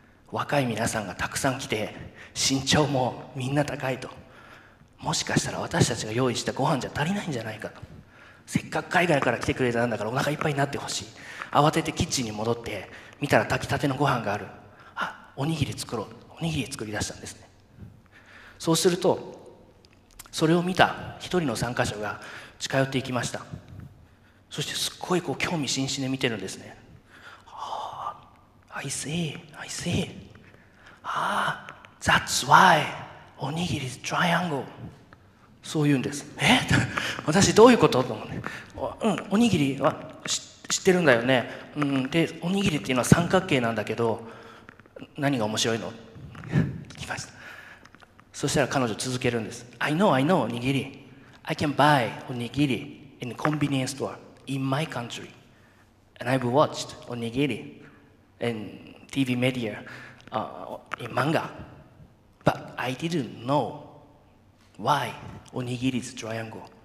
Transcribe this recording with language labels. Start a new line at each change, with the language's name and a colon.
Japanese: 若い皆さんがたくさん来て身長もみんな高いと、もしかしたら私たちが用意したご飯じゃ足りないんじゃないかと、せっかく海外から来てくれたんだからお腹いっぱいになってほしい、慌ててキッチンに戻って見たら炊きたてのご飯がある、あ、おにぎり作ろう、おにぎり作り出したんですね。そうするとそれを見た一人の参加者が近寄っていきました。そしてすっごいこう興味津々で見てるんですね。
English: I see, I see. Ah, that's why おにぎり triangle.
Japanese: そう言うんです。え、私どういうこと？と思うね。うん、おにぎりは知ってるんだよね。うん、で、おにぎりっていうのは三角形なんだけど、何が面白いの？聞きました。そしたら彼女続けるんです。
English: I know, I know, おにぎり。 I can buy おにぎり in a convenience store in my country. And I've watched おにぎり。 And TV media, in manga. But I didn't know why onigiri is triangle.